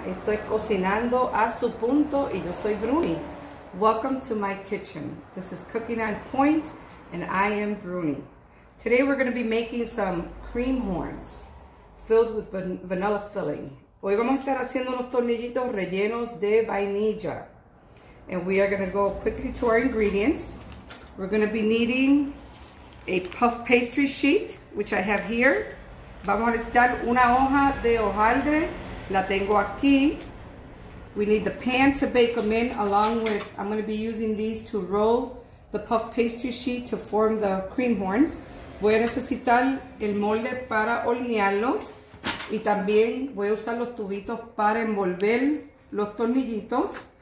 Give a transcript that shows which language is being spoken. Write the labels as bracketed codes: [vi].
[es] Esto es Cocinando a su Punto y yo soy Bruni. [en] Welcome to my kitchen. This is Cooking on Point and I am Bruni. Today we're going to be making some cream horns filled with vanilla filling. [es] Hoy vamos a estar haciendo unos tornillitos rellenos de vainilla. [en] And we are going to go quickly to our ingredients. We're going to be needing a puff pastry sheet, which I have here. [es] Vamos a necesitar una hoja de hojaldre, la tengo aquí. [en] We need the pan to bake them in along with, I'm going to be using these to roll the puff pastry sheet to form the cream horns. [es] Voy a necesitar el molde para hornearlos y también voy a usar los tubitos para envolver los tornillitos.